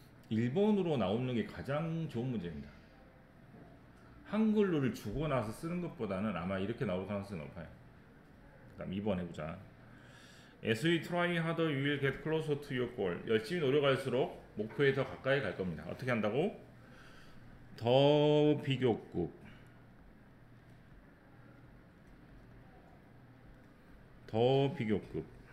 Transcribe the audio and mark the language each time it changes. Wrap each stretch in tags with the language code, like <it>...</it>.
<ko>1번으로 나오는 게 가장 좋은 문제입니다. 한글로를 주고 나서 쓰는 것보다는 아마 이렇게 나올 가능성이 높아요. 그다음 2번 해보자.</ko> <en>As we try harder, we will get closer to your goal.</en> <ko>열심히 노력할수록 목표에 더 가까이 갈 겁니다. 어떻게 한다고? 더 비교급. 더 비교급.</ko>